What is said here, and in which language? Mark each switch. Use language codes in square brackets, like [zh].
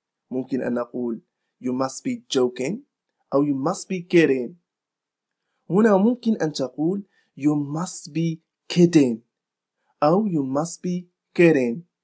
[en] ممكن أن نقول You must be joking. أو You must be kidding. [ar] هنا ممكن أن تقول You must be kidding. [en] أو you must be kidding.